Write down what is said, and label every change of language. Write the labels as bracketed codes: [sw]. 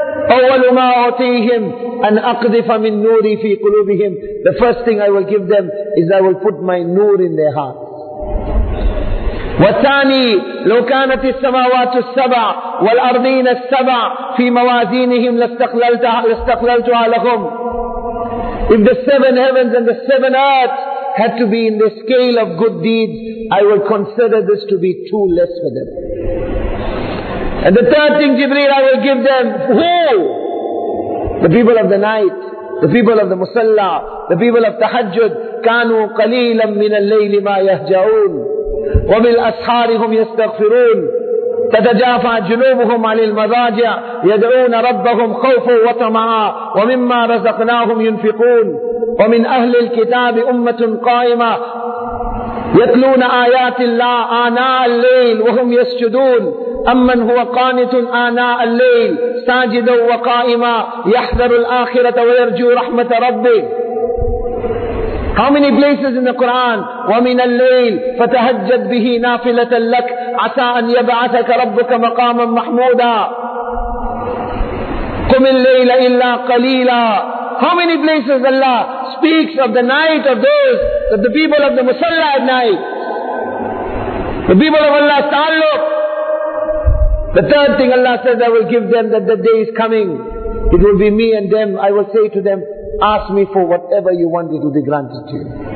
[ar] أَوَّلُ مَا أُعْطِيهِمْ أَنْ أَقْذِفَ مِنْ نُورِي فِي قُلُوبِهِمْ. [en] The first thing I will give them is I will put my noor in their heart. [ar] وَالثَّانِي لَوْ كَانَتِ السَّمَاوَاتُ السَّبْعَ وَالْأَرْضِينَ السَّبْعَ فِي مَوَازِينِهِمْ لَاسْتَقْلَلْتُهَا لَهُمْ. [en] If the seven heavens and the seven earths had to be in the scale of good deeds, I will consider this to be too less for them. And the third thing, Jibreel, I will give them, who? The people of the night, the people of the musalla, the people of tahajjud, [ar] كَانُوا قَلِيلًا مِنَ اللَّيْلِ مَا يَهْجَعُونَ وَبِالْأَسْحَارِهُمْ يَسْتَغْفِرُونَ تَتَجَافَى جُنُوبُهُمْ عَلِي الْمَضَاجِعَ يَدْعُونَ رَبَّهُمْ خَوْفُ وَطَمَعَى وَمِمَّا رَزَقْنَاهُمْ يُنْفِقُونَ وَمِنْ أَهْلِ الْكِتَابِ أُمَّةٌ قَائِمَةٌ يَتْلُونَ آيَاتِ اللَّهِ آنَاءَ اللَّيْلِ وَهُمْ يَسْجُدُونَ أَمَّنْ هُوَ قَانِتٌ آنَاءَ اللَّيْلِ سَاجِدًا وَقَائِمًا يَحْذَرُ الْآخِرَةَ وَيَرْجُو رَحْمَةَ رَبِّهِ. [en] How many places in the Quran, [ar] وَمِنَ اللَّيْلِ فَتَهَجَّدْ بِهِ نَافِلَةً لَكَ عَسَىٰ أَنْ يَبْعَثَكَ رَبُّكَ مَقَامًا مَحْمُودًا قُمِ اللَّيْلَ إِلَّا قَلِيلًا. [en] How many places Allah speaks of the night of those that the people of the Musalla at night, the people of Allah's ta'alluq. The third thing Allah says, I will give them that the day is coming. It will be me and them. I will say to them, ask me for whatever you want, it will be granted to you.